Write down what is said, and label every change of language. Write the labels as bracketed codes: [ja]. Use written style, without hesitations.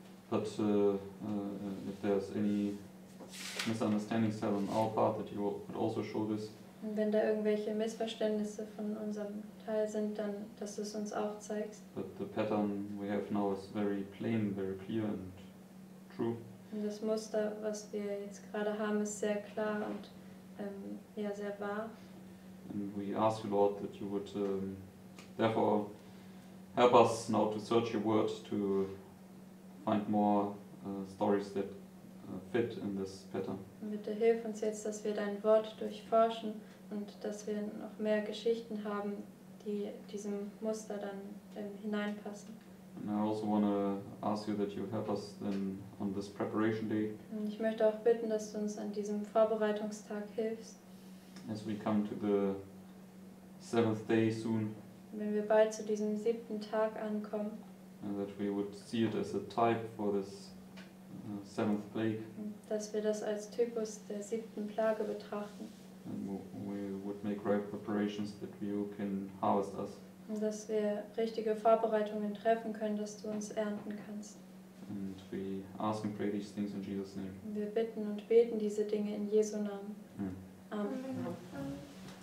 [en] But if there's any misunderstandings on our part, that you would also show this. [de] Und wenn da irgendwelche Missverständnisse von unserem Teil sind, dann dass du es uns auch zeigst. [en] But the pattern we have now is very plain, very clear and true. [de] Und das Muster, was wir jetzt gerade haben, ist sehr klar und ja, sehr wahr. [en] And we ask you, Lord, that you would therefore help us now to search your word, to find more stories that fit in this pattern. [de] Bitte hilf uns jetzt, dass wir dein Wort durchforschen und dass wir noch mehr Geschichten haben, die diesem Muster dann hineinpassen. [en] And I also want to ask you that you help us then on this preparation day. [de] Und ich möchte auch bitten, dass du uns an diesem Vorbereitungstag hilfst. [en] As we come to the seventh day soon. [de] Wenn wir bald zu diesem siebten Tag ankommen. [en] And that we would see it as a type for this seventh plague. [de] Dass wir das als Typus der siebten Plage betrachten. [en] And we would make right preparations that you can harvest us. [de] Und dass wir richtige Vorbereitungen treffen können, dass du uns ernten kannst. [en] And we ask and pray these things in Jesus' name. [de] Wir bitten und beten diese Dinge in Jesu Namen. Amen.